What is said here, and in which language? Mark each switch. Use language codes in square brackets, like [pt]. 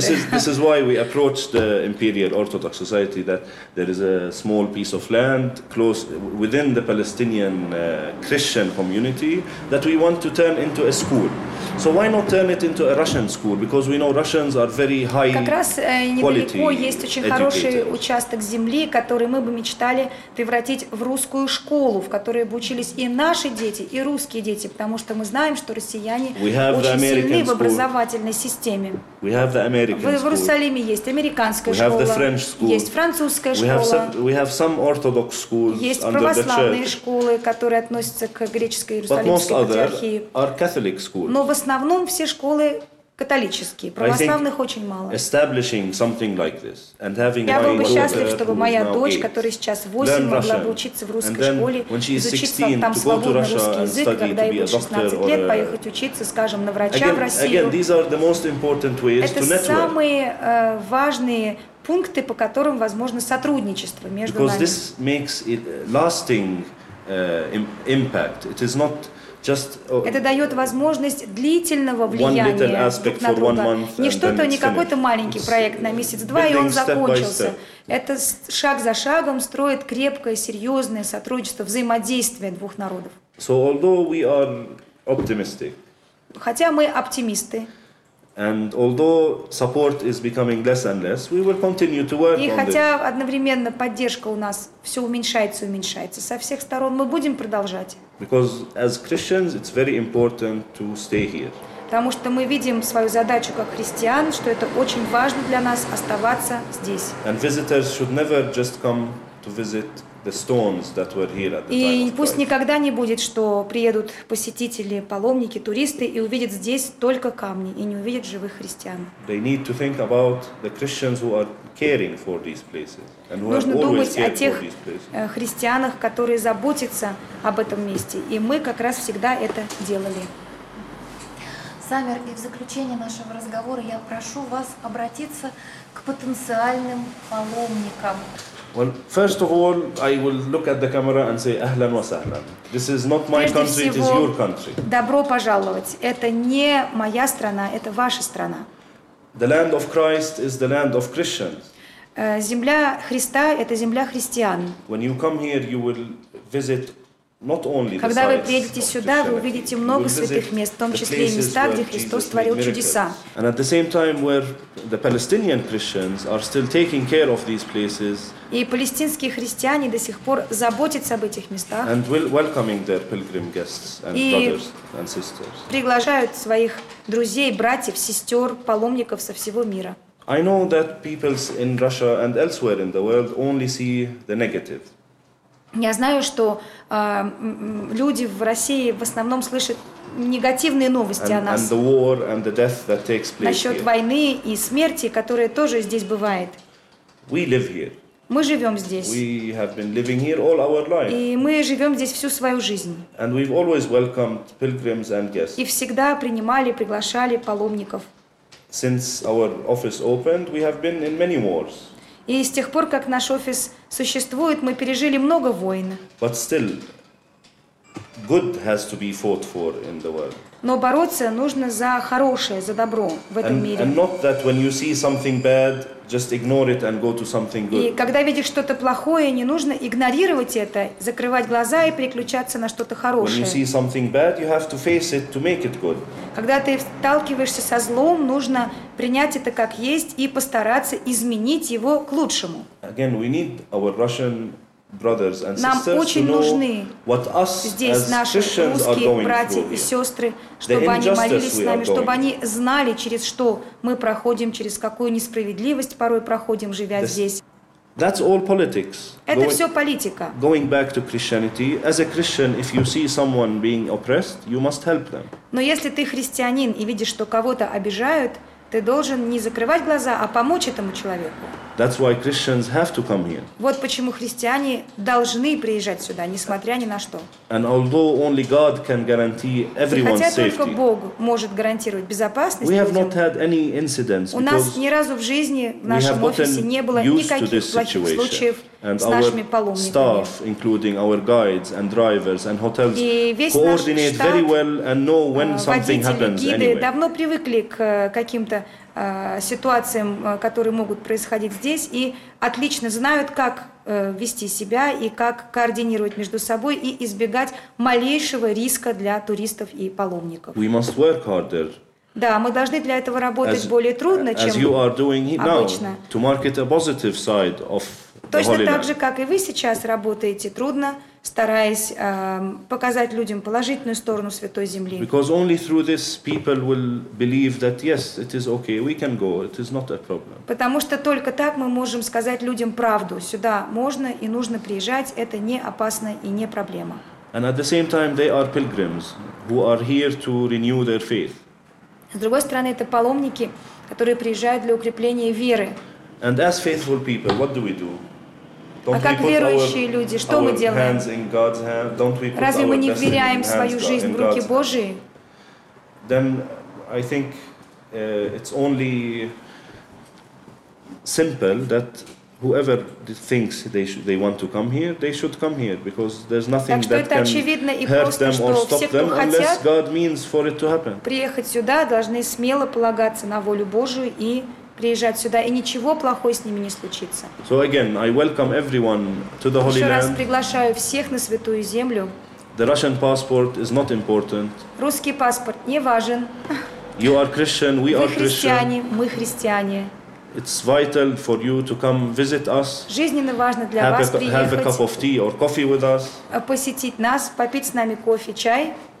[en] This is why we approached the Imperial Orthodox Society, that there is a small piece of land close within the Palestinian Christian community that we want to turn into a school. So why not turn it into a Russian school? Because we know Russians are very high quality. [ru] Как раз недалеко есть очень хороший участок земли, который мы бы мечтали превратить в русскую школу, в которой бы учились и наши дети, и русские дети, потому что мы знаем, что россияне очень сильны в образовательной системе. [en] We have the American school. [ru] В Иерусалиме есть американская школа. [en] We have the French school. [ru] Есть французская школа. [en] We have some Orthodox schools. [ru] Есть православные школы, которые относятся к греческой иерусалимской патриархии. [en] But most other are Catholic schools. [ru] Но в основном все школы католические, православных очень мало. [en] Establishing something like this and having [ru] Я был бы счастлив, чтобы моя дочь, которая сейчас 8, могла бы учиться в русской [en] then, [ru] школе, изучиться там свободно русский язык, когда ей будет 16 лет, поехать учиться, скажем, на врача [en] again, [ru] в Россию. [en] Again, these are the most important ways [ru] Это [en] to [ru] самые важные пункты, по которым возможно сотрудничество между [en] Because [ru] нами. [en] Because this makes it lasting impact. It is not Just, [ru] это дает возможность длительного влияния друг на друга. Не что-то, не какой-то маленький проект на месяц-два, и он закончился. Это шаг за шагом строит крепкое, серьезное сотрудничество, взаимодействие двух народов. [en] So, although we are optimistic, [ru] хотя мы оптимисты, [en] and although support is becoming less and less, we will continue to work on this. [ru] И хотя одновременно поддержка у нас все уменьшается и уменьшается со всех сторон, мы будем продолжать. [en] Because as Christians, it's very important to stay here. [ru] Потому что мы видим свою задачу как христиан, что это очень важно для нас оставаться здесь. [en] And visitors should never just come to visit the stones that were here at the time. [ru] И пусть никогда не будет, что приедут посетители, паломники, туристы и увидят здесь только камни и не увидят живых христиан. [en] They need to think about the Christians who are caring for these places and who [ru] Нужно думать о тех христианах, которые заботятся об этом месте, и мы как раз всегда это делали. Самир, и в заключение нашего разговора я прошу вас обратиться к потенциальным паломникам. [en] Well, first of all, I will look at the camera and say, [ar] "Ahlan wa sahlan." [en] This is not my country; it is your country. [ru] Добро пожаловать. Это не моя страна, это ваша страна. [en] The land of Christ is the land of Christians. [ru] Земля Христа – это земля христиан. [en] When you come here, you will visit not only the [ru] Когда вы приедете сюда, вы увидите много святых мест, в том числе и места, где Христос творил чудеса. [en] And at the same time, where the Palestinian Christians are still taking care of these places. [ru] И палестинские христиане до сих пор заботятся об этих местах. [en] And welcoming their pilgrim guests and brothers and sisters. [ru] И приглашают своих друзей, братьев, сестер, паломников со всего мира. [en] I know that people in Russia and elsewhere in the world only see the negative. [ru] Я знаю, что люди в России в основном слышат негативные новости о нас. [en] And the war and the death that takes place [ru] Насчет [en] here. [ru] Войны и смерти, которая тоже здесь бывает. [en] We live here. [ru] Мы живем здесь. [en] We have been living here all our life. [ru] И мы живем здесь всю свою жизнь. [en] And we've always welcomed pilgrims and guests. [ru] И всегда принимали, приглашали паломников. [en] Since our office opened, we have been in many wars. [ru] И с тех пор, как наш офис существует, мы пережили много войн. [en] But still, good has to be fought for in the world. [ru] Но бороться нужно за хорошее, за добро в этом [en] and, [ru] мире. [en] And not that when you see something bad, just ignore it and go to something good. [ru] И когда видишь что-то плохое, не нужно игнорировать это, закрывать глаза и переключаться на что-то хорошее. [en] When you see something bad, you have to face it to make it good. [ru] Когда ты сталкиваешься со злом, нужно принять это как есть и постараться изменить его к лучшему. [en] Again, we need our Russian brothers and sisters [ru] Нам очень [en] to know [ru] нужны [en] what us [ru] здесь [en] as Christians [ru] наши русские братья и сестры, чтобы они молились с нами, чтобы они знали, через что мы проходим, через какую несправедливость порой проходим, живя здесь. [en] That's all politics. [ru] Это все политика. [en] Going back to Christianity, as a Christian, if you see someone being oppressed, you must help them. [ru] Но если ты христианин и видишь, что кого-то обижают, ты должен не закрывать глаза, а помочь этому человеку. [en] That's why Christians have to come here. [ru] Вот почему христиане должны приезжать сюда, несмотря ни на что. [en] And although only God can guarantee everyone's safety. [ru] Хотя только Бог может гарантировать безопасность. [en] We have not had any incidents. [ru] У нас ни разу в жизни в нашем офисе не было никаких плохих случаев [en] and [ru] с нашими паломниками. [en] Staff, including our guides and drivers and hotels, [ru] и весь [en] coordinate [ru] наш штат, [en] very well and know when something happens [ru] гиды [en] anyway. [ru] Давно привыкли к каким-то ситуациям, которые могут происходить здесь, и отлично знают, как вести себя и как координировать между собой и избегать малейшего риска для туристов и паломников. [en] We must work harder. [ru] Да, мы должны для этого работать более трудно, чем обычно. [en] To market a positive side of [ru] Точно так же, как и вы сейчас работаете трудно, стараясь показать людям положительную сторону Святой Земли. [en] Because only through this people will believe that yes, it is okay, we can go, it is not a problem. [ru] Потому что только так мы можем сказать людям правду. Сюда можно и нужно приезжать, это не опасно и не проблема. [en] And at the same time, they are pilgrims who are here to renew their faith. [ru] С другой стороны, это паломники, которые приезжают для укрепления веры. [en] And as faithful people, what do we do? [ru] А как верующие люди, что мы делаем? Разве мы не вверяем свою жизнь в руки Божьи? [en] Then I think it's only simple that whoever thinks they want to come here, they should come here because there's nothing that can hurt them or stop them unless God means for it to happen. [ru] Приехать сюда должны смело полагаться на волю Божию и приезжать сюда, и ничего плохого с ними не случится. [en] So again, I welcome everyone to the Holy Land. [ru] Еще раз приглашаю всех на Святую Землю. [en] The Russian passport is not important. [ru] Русский паспорт не важен. [en] You are Christian, we are [ru] христиане, мы христиане. [en] It's vital for you to come visit us. [ru] Жизненно важно для [en] have [ru] вас приехать. [en] Have a cup of tea or coffee with us. [ru] Посетить нас, попить с нами кофе, чай.